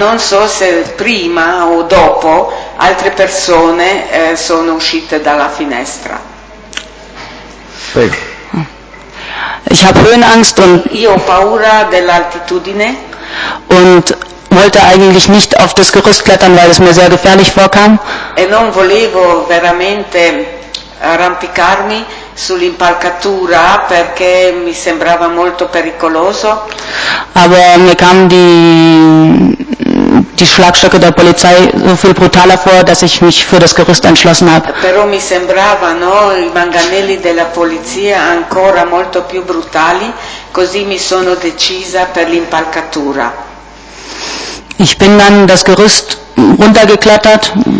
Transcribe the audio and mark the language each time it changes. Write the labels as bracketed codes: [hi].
[it] Non so se prima o dopo altre persone sono uscite dalla finestra. [de] Ich habe Höhenangst und [it] io paura dell'altitudine [de] und wollte eigentlich nicht auf das Gerüst klettern, weil es mir sehr gefährlich vorkam. [it] E non volevo veramente arrampicarmi sull'impalcatura perché mi sembrava molto pericoloso. [de] Aber mir kamen die Schlagstöcke der Polizei so viel brutaler vor, dass ich mich für das Gerüst entschlossen habe. [it] Però mi sembravano i manganelli della polizia ancora molto più brutali, così mi sono decisa per l'impalcatura. [de] Ich bin dann das Gerüst runtergeklettert.